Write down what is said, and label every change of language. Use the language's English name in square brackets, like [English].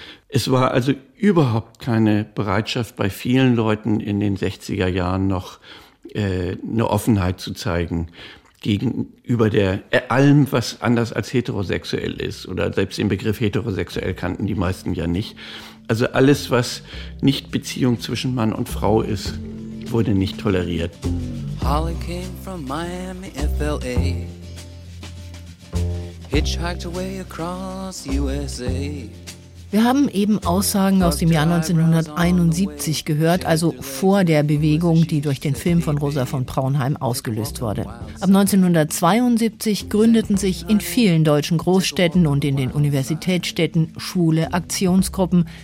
[German] Es war also überhaupt keine Bereitschaft bei vielen Leuten in den 60er Jahren noch eine Offenheit zu zeigen gegenüber der allem, was anders als heterosexuell ist. Oder selbst den Begriff heterosexuell kannten die meisten ja nicht. Also alles, was nicht Beziehung zwischen Mann und Frau ist, wurde nicht toleriert. [English] Holly came from Miami, FLA. Hitchhiked away across USA. [German] Wir haben eben Aussagen aus dem Jahr 1971 gehört, also vor der Bewegung, die durch den Film von Rosa von Braunheim ausgelöst wurde. Ab 1972 gründeten sich in vielen deutschen Großstädten und in den Universitätsstädten schwule Aktionsgruppen.